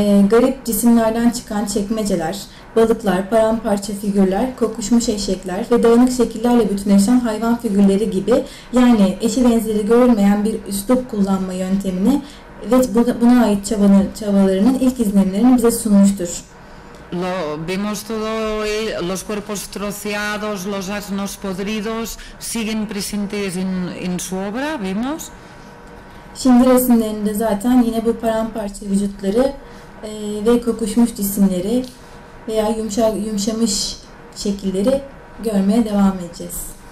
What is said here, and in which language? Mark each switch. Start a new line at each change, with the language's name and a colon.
Turkish: Garip cisimlerden çıkan çekmeceler, balıklar, paramparça figürler, kokuşmuş eşekler ve dağınık şekillerle bütünleşen hayvan figürleri gibi, yani eşi benzeri görülmeyen bir üslup kullanma yöntemini ve buna ait çabalarının ilk izlenimlerini bize sunmuştur.
Spanish: Vimos todo los cuerpos troceados, los asnos podridos, siguen presentes en su obra, vimos.
Turkish: Şimdi resimlerinde zaten yine bu paramparça vücutları ve kokuşmuş cisimleri veya yumuşamış şekilleri görmeye devam edeceğiz.